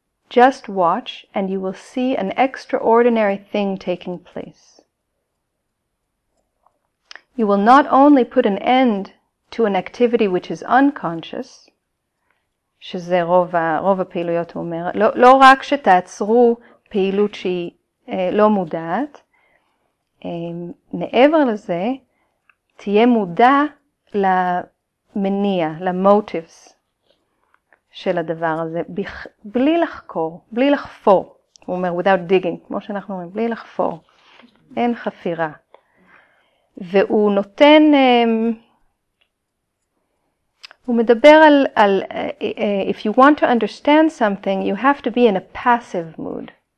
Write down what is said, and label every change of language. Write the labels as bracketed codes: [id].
[en] Just watch and you will see an extraordinary thing taking place. You will not only put an end to an activity which is unconscious, [he] שזה רוב הפעילויות הוא אומר, לא רק שתעצרו פעילות שהיא לא מודעת, מעבר לזה, תהיה מודע למניע, למוטיבס של הדבר הזה, בלי לחקור, בלי לחפור, הוא אומר, [en] without digging, [he] כמו שאנחנו אומרים, בלי לחפור, אין חפירה. והוא נותן, הוא מדבר על [en] if you want to understand something, you have to be in a passive mood.